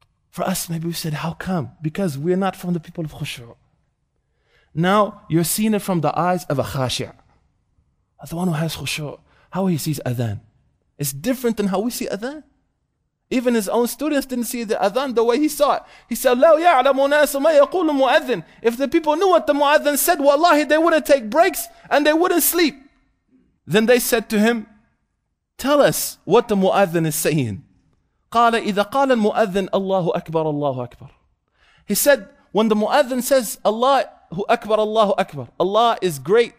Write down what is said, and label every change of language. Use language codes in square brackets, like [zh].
[en] For us, maybe we said, how come? Because we're not from the people of khushu'. Now you're seeing it from the eyes of a khashi', the one who has khushu'. How he sees adhan, it's different than how we see adhan. Even his own students didn't see the adhan the way he saw it. [ar] He said, لَوْ يَعْلَمُ نَاسُ مَا يَقُولُ مُؤَذِّنُ. [en] If the people knew what the mu'adhin said, wallahi, they wouldn't take breaks and they wouldn't sleep. Then they said to him, tell us what the mu'adhin is saying. [ar] قَالَ إِذَا قَالَ الْمُؤَذِّنُ أَلَّهُ أَكْبَرَ [en] أَلَّهُ أَكْبَرَ. He said, when the mu'adhin says, Allahu Akbar, Allahu Akbar, Allah is great.